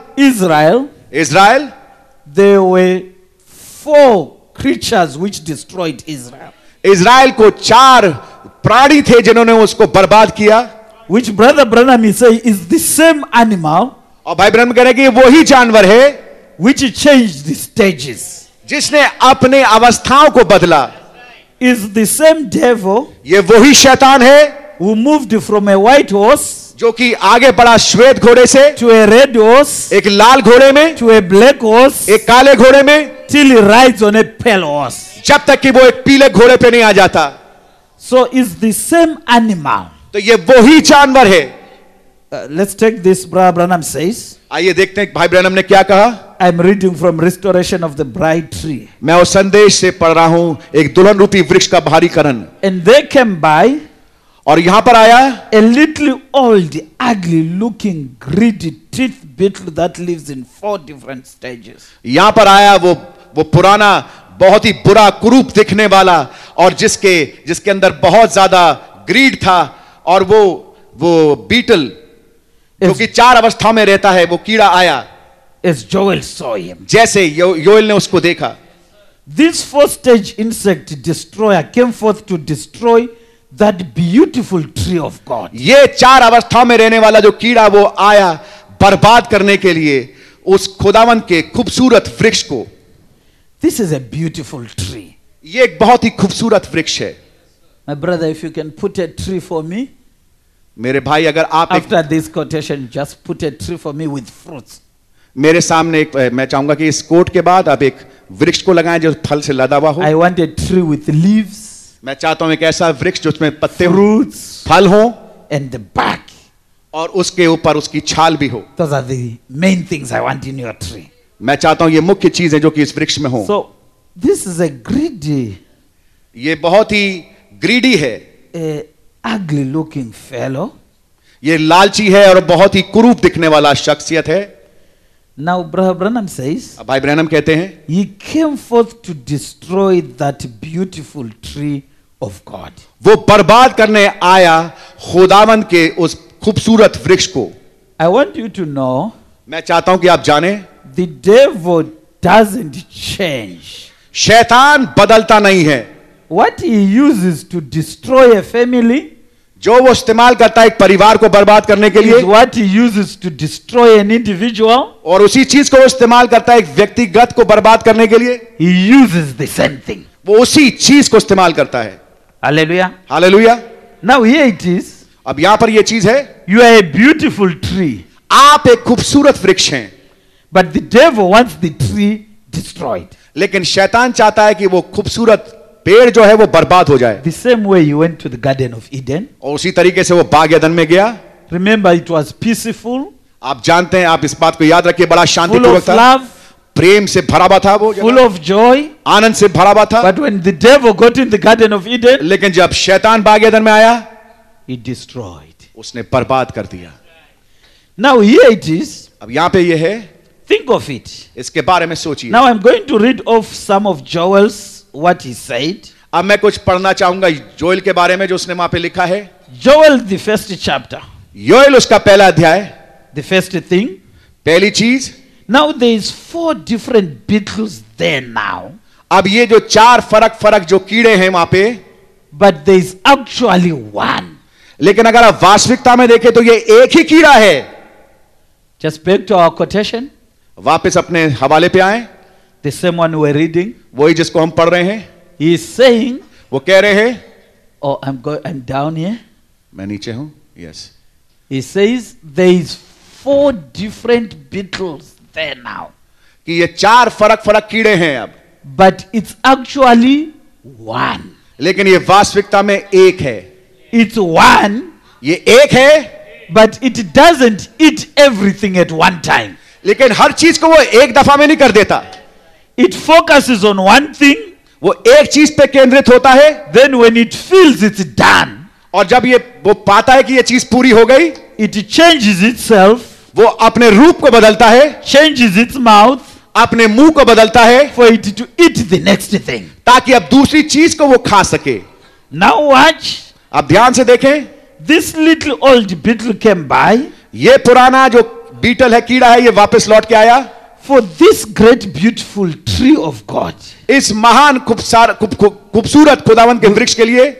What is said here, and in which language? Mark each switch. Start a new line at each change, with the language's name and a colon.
English: Israel. They were four. Creatures which destroyed Israel.
Hindi: Israel को चार प्राणी थे जिन्होंने उसको बर्बाद किया.
English: Which brother Branham is saying is the same animal.
Hindi: और भाई ब्रह्म कह रहे कि वो ही जानवर है.
English: Which changed the stages.
Hindi: जिसने अपने अवस्थाओं को बदला.
English: Is the same devil.
Hindi: ये वो ही शैतान है.
English: Who moved from a white horse.
Hindi: जो कि आगे बढ़ा श्वेत घोड़े से.
English: To a red horse.
Hindi: एक लाल घोड़े में.
English: To a black horse.
Hindi: एक काले घोड़े में.
English: Till he rides on a pale horse.
Hindi: जब तक कि वो एक पीले घोड़े पे नहीं आ जाता.
English: So is the same animal.
Hindi: तो ये वो ही जानवर है.
English: Let's take this, brother Branham says.
Hindi: आइए देखते हैं भाई ब्रैनम ने क्या कहा.
English: I'm reading from restoration of the bride tree.
Hindi: मैं उस संदेश से पढ़ रहा हूँ एक दुल्हन रूपी वृक्ष का बहारीकरण.
English: And they came by.
Hindi: और यहाँ पर आया.
English: A little old, ugly looking, greedy. Teeth beetle that lives in four different stages.
Hindi: यहाँ पर आया वो पुराना बहुत ही बुरा कुरूप दिखने वाला और जिसके अंदर बहुत ज़्यादा greed था और वो beetle जो कि चार अवस्था में रहता है वो कीड़ा आया.
English: As Joel saw him.
Hindi: जैसे योएल ने उसको देखा.
English: This four stage insect destroyer came forth to destroy. That beautiful tree of God.
Hindi: ये चार अवस्थाओं में रहने वाला जो कीड़ा वो आया बर्बाद करने के लिए उस खुदावन के खूबसूरत वृक्ष को.
English: This is a beautiful tree.
Hindi: ये एक बहुत ही खूबसूरत वृक्ष है.
English: My brother, if you can put a tree for me.
Hindi: मेरे भाई अगर आप
English: After this quotation, just put a tree for me with fruits.
Hindi: मेरे सामने एक मैं चाहूंगा कि इस कोट के बाद आप एक वृक्ष को लगाएं जो फल से लदा हुआ हो.
English: I want a tree with leaves.
Hindi: मैं चाहता हूं एक ऐसा वृक्ष जो उसमें पत्ते
English: Fruits,
Hindi: फल हो
English: and the back
Hindi: और उसके ऊपर उसकी छाल भी हो.
English: Those are the main things I want in your tree.
Hindi: मैं चाहता हूं ये मुख्य चीज है जो कि इस वृक्ष में हो.
English: So, this is a greedy,
Hindi: ये बहुत ही ग्रीडी है.
English: A ugly looking fellow.
Hindi: ये लालची है और बहुत ही कुरूप दिखने वाला शख्सियत है.
English: Now Branham says.
Hindi: भाई ब्रैनम कहते हैं.
English: He came forth to destroy that beautiful tree of God.
Hindi: वो बर्बाद करने आया खुदावंद के उस खूबसूरत वृक्ष को.
English: I want you to know.
Hindi: मैं चाहता हूं कि आप जानें.
English: The devil doesn't change.
Hindi: शैतान बदलता नहीं है.
English: What he uses to destroy a family.
Hindi: जो वो इस्तेमाल करता है एक परिवार को बर्बाद करने के लिए.
English: What he uses to destroy an individual.
Hindi: और उसी चीज को वो इस्तेमाल करता है एक व्यक्तिगत को बर्बाद करने के लिए.
English: He uses the same thing.
Hindi: वो उसी चीज को इस्तेमाल करता है.
English: Hallelujah. Hallelujah. Now here it is.
Hindi: अब यहां पर ये चीज है.
English: You are a beautiful tree.
Hindi: आप एक खूबसूरत वृक्ष हैं.
English: But the devil wants the tree destroyed.
Hindi: लेकिन शैतान चाहता है कि वो खूबसूरत पेड़ जो है वो बर्बाद हो जाए.
English: The same way you went to the garden of Eden.
Hindi: और उसी तरीके से वो बाग यदन में गया.
English: Remember it was peaceful.
Hindi: आप जानते हैं आप इस बात को याद रखिए बड़ा शांतिपूर्वक था.
English: Full of love.
Hindi: प्रेम से भरा हुआ था वो.
English: Full of joy.
Hindi: आनंद से भरा हुआ था.
English: But when the devil got in the garden of Eden.
Hindi: लेकिन जब शैतान बाग यदन में आया.
English: He destroyed.
Hindi: उसने बर्बाद कर दिया.
English: Now here it is.
Hindi: अब यहां पे ये है.
English: Think of it.
Hindi: इसके बारे में सोचिए.
English: Now I'm going to read off some of Joel's What he said.
Hindi: अब मैं कुछ पढ़ना चाहूंगा जोएल के बारे में जो उसने वहां पे लिखा है.
English: Joel, the first chapter.
Hindi: Joel उसका पहला अध्याय.
English: The first thing.
Hindi: पहली चीज.
English: Now there is four different beetles there now.
Hindi: अब ये जो चार फरक जो कीड़े हैं वहां पे.
English: But there is actually one.
Hindi: लेकिन अगर आप वास्तविकता में देखें तो ये एक ही कीड़ा है.
English: Just back to our quotation.
Hindi: वापस अपने हवाले पे आए. The
English: The same one we're reading.
Hindi: वही जिसको हम पढ़ रहे हैं.
English: He is saying.
Hindi: वो कह रहे हैं.
English: Oh, I'm down here.
Hindi: मैं नीचे हूँ.
English: Yes. He says there is four different beetles there now.
Hindi: कि ये चार फरक कीड़े हैं अब.
English: But it's actually one.
Hindi: लेकिन ये वास्तविकता में एक है.
English: It's one.
Hindi: ये एक है.
English: But it doesn't eat everything at one time.
Hindi: लेकिन हर चीज को वो एक दफा में नहीं कर देता.
English: It focuses on one thing.
Hindi: वो एक चीज पे केंद्रित होता है.
English: Then when it feels it's done.
Hindi: और जब ये वो पाता है कि ये चीज पूरी हो गई.
English: It changes itself.
Hindi: वो अपने रूप को बदलता है.
English: Changes its mouth.
Hindi: अपने मुंह को बदलता है.
English: For it to eat the next thing.
Hindi: ताकि अब दूसरी चीज को वो खा सके.
English: Now watch.
Hindi: अब ध्यान से देखें.
English: This little old beetle came by.
Hindi: ये पुराना जो बीटल है कीड़ा है ये वापस लौट के आया.
English: For this great beautiful tree of God.
Hindi: इस महान खूबसूरत खुदावंत के वृक्ष के लिए.